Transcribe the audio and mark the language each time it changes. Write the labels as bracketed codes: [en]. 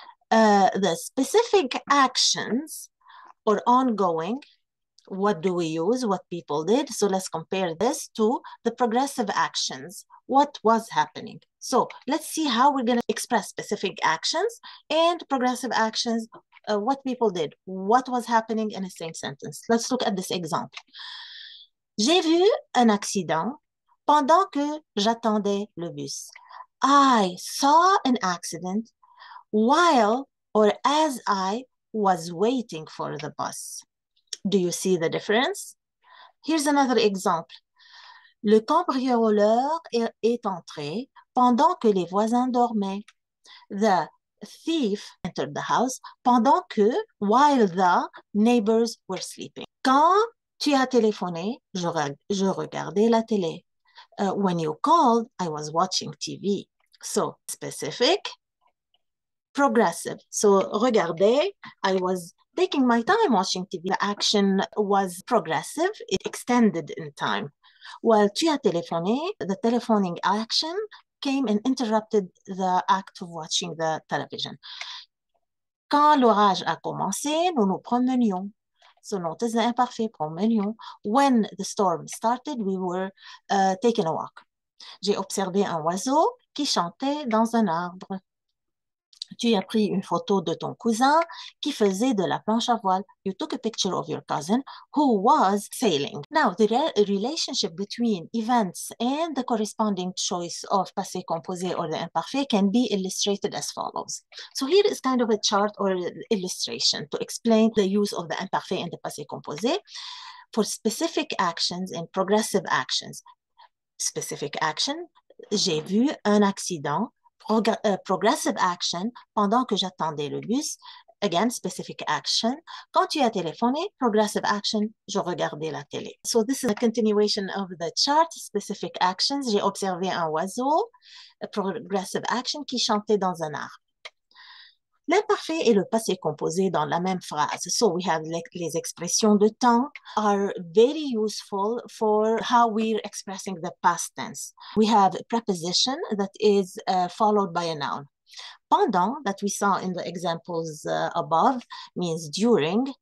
[en] The specific actions or ongoing, what do we use, what people did? So let's compare this to the progressive actions. What was happening? So let's see how we're going to express specific actions and progressive actions. What people did, what was happening in the same sentence. Let's look at this example. [fr] J'ai vu un accident pendant que j'attendais le bus. [en] I saw an accident while or as I was waiting for the bus. Do you see the difference? Here's another example. [fr] Le cambrioleur est entré pendant que les voisins dormaient. [en] The thief entered the house [fr] pendant que, [en] while the neighbors were sleeping. [fr] Quand tu as téléphoné, je regardais la télé. [en] When you called, I was watching TV. So, specific, progressive. So, [fr] regardez, [en] I was taking my time watching TV. The action was progressive. It extended in time. While [fr] tu as téléphoné, [en] the telephoning action came and interrupted the act of watching the television. [fr] Quand l'orage a commencé, nous nous promenions. [en] So notice the imparfait, [fr] promenions. [en] When the storm started, we were taking a walk. [fr] J'ai observé un oiseau qui chantait dans un arbre. Tu as pris une photo de ton cousin qui faisait de la planche à voile. [en] You took a picture of your cousin who was sailing. Now, the relationship between events and the corresponding choice of passé composé or the imparfait can be illustrated as follows. So here is kind of a chart or illustration to explain the use of the imparfait and the passé composé for specific actions and progressive actions. Specific action, [fr] j'ai vu un accident. [en] Progressive action, [fr] pendant que j'attendais le bus, [en] again, specific action. [fr] Quand tu as téléphoné, [en] progressive action, [fr] je regardais la télé. [en] So this is a continuation of the chart, specific actions. [fr] J'ai observé un oiseau, [en] a progressive action, [fr] qui chantait dans un arbre. L'imparfait et le passé composé dans la même phrase. [en] So we have [fr] les expressions de temps [en] are very useful for how we're expressing the past tense. We have a preposition that is followed by a noun. Pendant, that we saw in the examples above, means during.